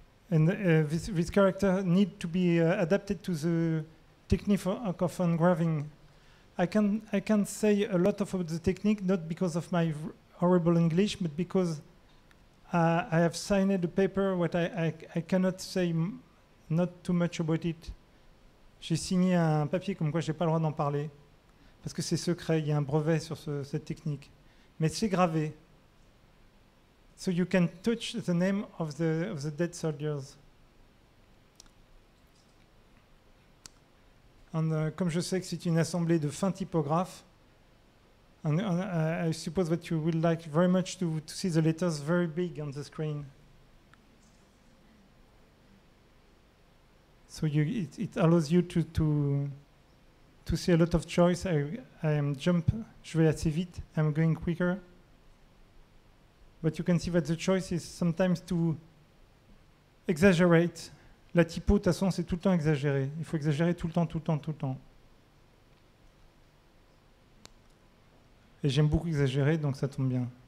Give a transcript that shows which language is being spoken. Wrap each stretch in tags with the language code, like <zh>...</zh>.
<en>And this character need to be adapted to the technique of engraving. I can say a lot of the technique, not because of my horrible English, but because I have signed a paper what I cannot say not too much about it.</en> <fr>J'ai signé un papier comme quoi j'ai pas le droit d'en parler. Parce que c'est secret, il y a un brevet sur cette technique. Mais c'est gravé.</fr> <en>So you can touch the name of the dead soldiers. And</en> <fr>comme je sais que c'est une assemblée de fins typographes,</fr> <en>I suppose that you would like very much to see the letters very big on the screen. So it allows you to see a lot of choice.</en> <fr>Je vais assez vite,</fr> <en>I'm going quicker. But you can see that the choice is sometimes to exaggerate.</en> <fr>La typo, de toute façon, c'est tout le temps exagéré. Il faut exagérer tout le temps, tout le temps, tout le temps. Et j'aime beaucoup exagérer, donc ça tombe bien.</fr>